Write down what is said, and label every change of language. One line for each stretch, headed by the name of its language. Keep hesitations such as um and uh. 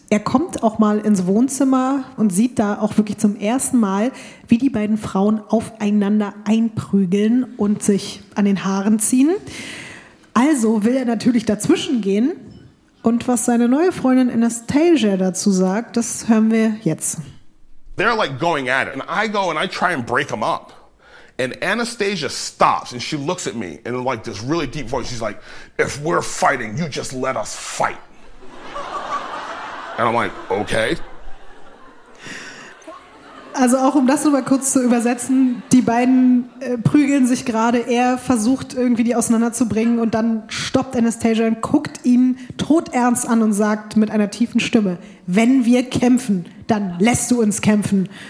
German: Er kommt auch mal ins Wohnzimmer und sieht da auch wirklich zum ersten Mal, wie die beiden Frauen aufeinander einprügeln und sich an den Haaren ziehen. Also will er natürlich dazwischen gehen. Und was seine neue Freundin Anastasia dazu sagt, das hören wir jetzt.
English: They're like going at it. And I go and I try and break And Anastasia stops and she looks at me in like this really deep voice. She's like, if we're fighting, you just let us fight. And I'm like, okay.
German: Also auch um das nochmal kurz zu übersetzen, die beiden äh, prügeln sich gerade, er versucht irgendwie die auseinanderzubringen und dann stoppt Anastasia und guckt ihn todernst an und sagt mit einer tiefen Stimme, wenn wir kämpfen, dann lässt du uns kämpfen.